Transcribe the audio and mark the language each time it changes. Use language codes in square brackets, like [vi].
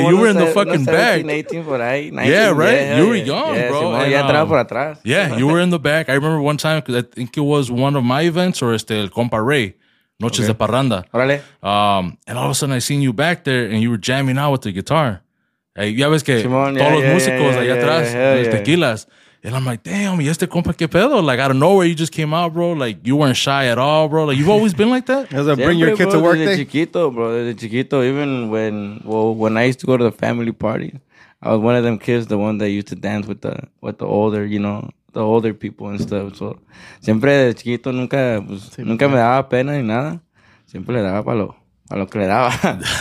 [en] Yeah, you were in the fucking back. [es] 18 por ahí, 19, [en] yeah, right? Yeah, you were young, yeah, bro. [es] Si, and, atrás por atrás. [en] Yeah, you were in the back. I remember one time, because I think it was one of my events, or el compa Ray, Noches okay. de Parranda. [es] Órale. [en] And all of a sudden, I seen you back there, and you were jamming out with the guitar. [es] Hey, ya ves que todos los músicos allá atrás, los tequilas. [en] And I'm like, damn, [es] ¿y este compa qué pedo? [en] Like, out of nowhere, you just came out, bro. Like, you weren't shy at all, bro. Like, you've always been like that? As a bring your kid to work [es] desde chiquito, bro. Desde chiquito, [en] even when I used to go to the family party, I was one of them kids, the one that used to dance with the older, you know, the older people and stuff. [es] So, siempre de chiquito, nunca, pues, nunca me daba pena ni nada. Siempre le daba para lo que le daba.